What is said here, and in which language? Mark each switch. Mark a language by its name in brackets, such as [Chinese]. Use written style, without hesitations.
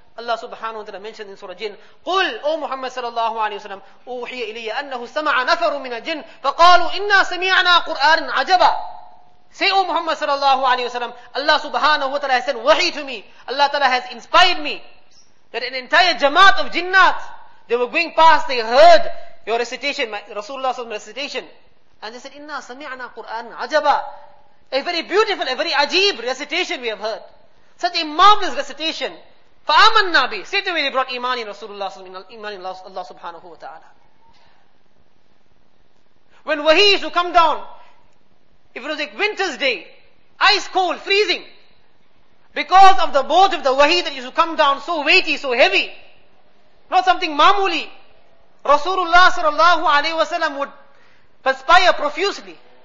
[Arabic] Allah subhanahu wa ta'ala mentioned in Surah Jinn, قُلْ [English] O Muhammad sallallahu alayhi wa sallam, [Arabic] أُوحِيَ إِلَيَّ أَنَّهُ سَمَعَ نَفَرٌ مِنَ الْجِنِّ فَقَالُوا إِنَّا سَمِعْنَا قُرْآنٍ عَجَبًا. [English] Say, O Muhammad sallallahu alayhi wa sallam, Allah subhanahu wa ta'ala has sent wahi to me. Allah ta'ala has inspired me that an entire jamaat of jinnat, they were going past, they heard your recitation, Rasulullah's recitation. And they said, [Arabic] إِنَّا سَمِعْنَا قُرْآنٍ عَجَبًا. [English] A very beautiful, a very ajeeb recitation we have heard. Such a marvelous recitation. [Arabic] فَآمَنْ نَبِي. [English] Straight away they brought iman in Rasulullah sallallahu alayhi wa sallam, iman in Allah subhanahu wa ta'ala. When wahi is to come down, if it was like winter's day, ice cold, freezing, because of the boat of the wahi that used to come down, so weighty, so heavy, not something mamuli, Rasulullah sallallahu alayhi wa sallam would perspire profusely.